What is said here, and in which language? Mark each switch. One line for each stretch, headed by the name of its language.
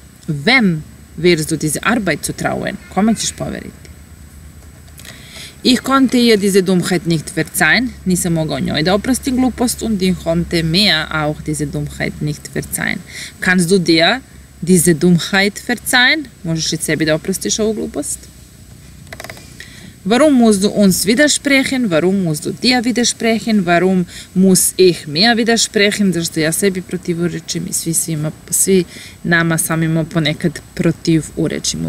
German: Wem wirst du diese Arbeit zutrauen?
Serbian: Kome ćeš poveriti?
German: Ich konnte ihr diese Dummheit nicht verzeihen.
Serbian: Nisam mogao njoj da oprosti glupost.
German: Und ich konnte mir auch diese Dummheit nicht verzeihen. Kannst du dir diese Dummheit verzeihen?
Serbian: Možeš li sebi da oprostiš ovu glupost?
German: Warum musst du uns widersprechen? Warum musst du dir widersprechen? Warum muss ich mir widersprechen?
Serbian: Zašto ja sebi protivurečim i svi nama samima ponekad protivurečimo.